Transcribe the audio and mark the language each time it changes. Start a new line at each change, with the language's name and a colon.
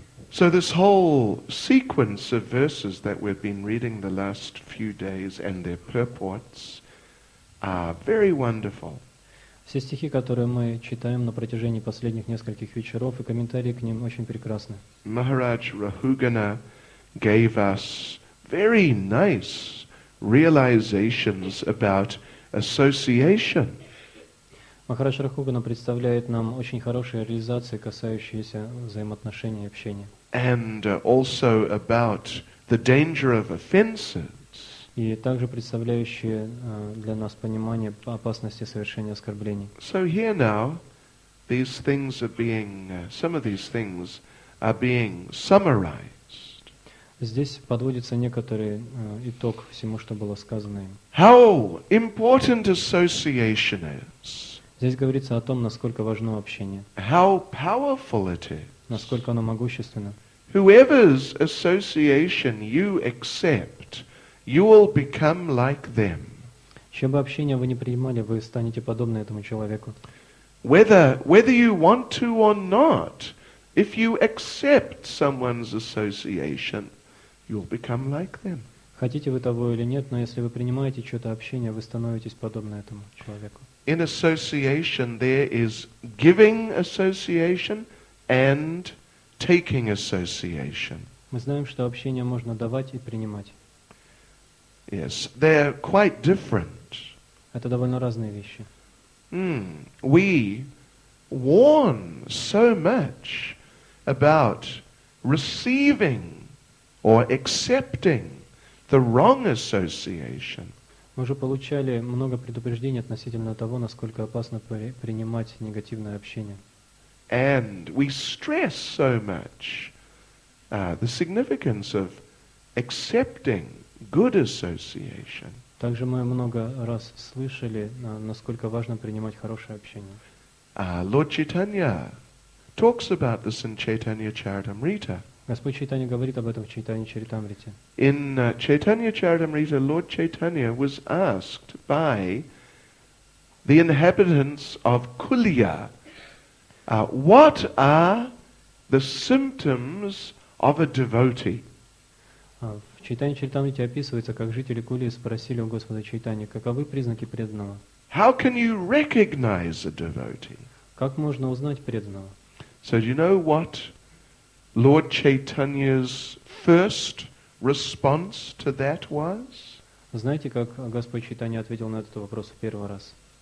English: So this whole sequence of verses that we've been reading the last few days and their purports are very wonderful.
Russian: Все стихи, которые мы читаем на протяжении последних нескольких вечеров, и комментарии к ним очень прекрасны.
English: Maharaj Rahugana gave us very nice realizations about association.
Russian: Махарадж Рахугана представляет нам очень хорошие реализации, касающиеся взаимоотношений и общения.
English: And also about the danger of offenses.
Russian: И также представляющие для нас понимание опасности совершения оскорблений.
English: So here now, these things are being, some of these things are being summarized.
Russian: Здесь подводится некоторый итог всему, что было сказано им.
English: How important association is.
Russian: Здесь говорится о том, насколько важно общение.
English: How powerful it is.
Russian: Насколько оно могущественно.
English: Whoever's association you accept, you will become like them.
Russian: Чьё бы общение вы не принимали, вы станете подобны этому человеку.
English: Whether you want to or not, if you accept someone's association, you'll become like them.
Russian: Хотите вы того или нет, но если вы принимаете чьё-то общение, вы становитесь подобны этому человеку.
English: In association, there is giving association and taking association.
Russian: Мы знаем, что общение можно давать и принимать.
English: Yes, they're quite different.
Russian: Это довольно разные вещи.
English: We warn so much about receiving or accepting the wrong association.
Russian: Мы уже получали много предупреждений относительно того, насколько опасно принимать негативное общение.
English: And we stress so much the significance of accepting good association.
Russian: Также мы много раз слышали, насколько важно принимать хорошее общение.
English: Lord Chaitanya talks about this in Chaitanya Charitamrita.
Russian: Господь Чайтанья говорит об этом в Чайтанья Чаритамрите.
English: In Chaitanya Charitamrita, Lord Chaitanya was asked by the inhabitants of Kulia, what are the symptoms of a devotee?
Russian: В Чайтанья Чаритамрите описывается, как жители Кулии спросили у Господа Чайтанья, каковы признаки преданного?
English: How can you recognize a devotee?
Russian: Как можно узнать преданного?
English: So do you know what Lord Chaitanya's first response to that was?
Russian: Знаете, как Господь Чайтанья ответил на этот вопрос в первый раз?